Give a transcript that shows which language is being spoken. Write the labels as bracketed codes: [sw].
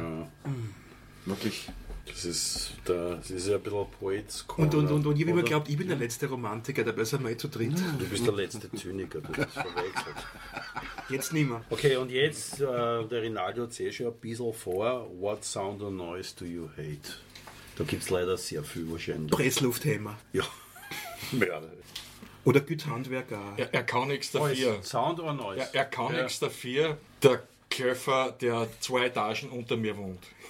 [de] Mhm. Wirklich. Das ist ein bisschen Poets Corner. Und ich habe immer geglaubt, ich bin der letzte Romantiker, dabei sind wir zu dritt. Du bist der letzte Zyniker, du hast verwechselt. Jetzt nicht mehr. Okay, und jetzt, der Rinaldo hat es eh schon ein bisschen vor. [en] What sound or noise do you hate? [de] Da gibt es leider sehr viel wahrscheinlich. Presslufthämmer. Ja. Oder Güthandwerker. Er kann nichts dafür. [en] Sound or noise? [de] Er kann nichts dafür, der Köfer, der 2 Etagen unter mir wohnt.